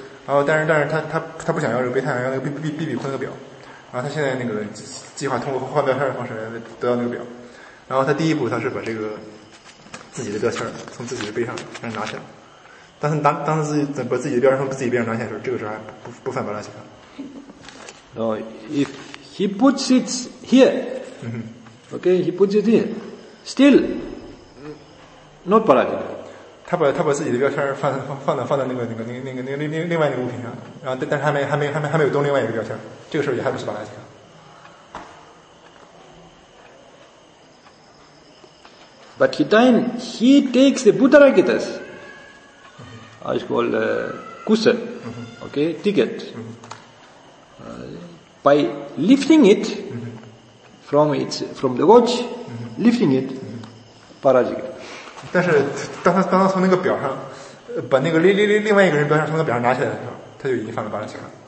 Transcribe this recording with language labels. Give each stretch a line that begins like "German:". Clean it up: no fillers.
Chinese: 然后但是他不想要这个贝塔，要那个比库那个表，然后他现在那个计划通过换标签的方式来得到那个表，然后他第一步他是把这个自己的标签从自己的背上拿起来，但是当时自己把自己的标签从自己背上拿起来的时候，这个时候还不犯巴拉契卡。
English: No, if he puts it here, okay, he puts it in, still not Parajika.
Chinese: 他把自己的标签放在那个另外那个物品上，然后但是还没有动另外一个标签，这个时候也还不是巴拉契卡。
English: But then he takes the Buddharakitas, I call kusa, okay, ticket. By lifting it from the watch, lifting it, parajika.
Chinese: 但是当他从那个表上，把那个另外一个人表上从那个表上拿起来的时候，他就已经犯了巴拉契卡。